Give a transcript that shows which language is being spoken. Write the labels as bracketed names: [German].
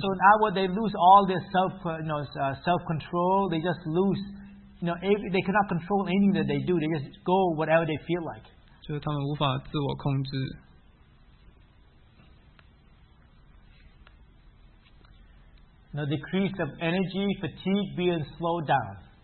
[English] So now they lose all their self control. They just lose, you know, they cannot control anything that they do. They just go whatever they feel like. [Chinese] 就是他们无法自我控制。 [English] Now decrease of energy, fatigue, being slowed down.